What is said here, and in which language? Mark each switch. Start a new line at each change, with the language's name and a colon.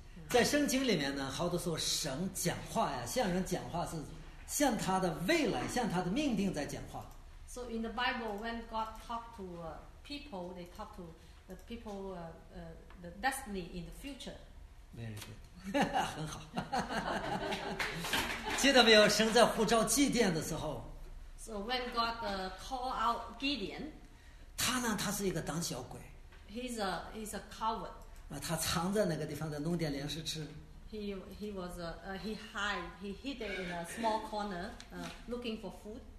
Chinese: 在圣经里面呢，好多时候神讲话呀，向人讲话是向他的未来，向他的命定在讲话。
English: So in the Bible, when God talk to people, they talk to the people the destiny in the future. Very good.
Chinese: 很好。记得没有，神在呼召祭奠的时候。
English: So when God call out Gideon,
Chinese: 他呢，他是一个胆小鬼。
English: He's a coward.
Chinese: 他藏在那个地方，在弄点粮食吃。
English: He hid in a small corner, looking for food.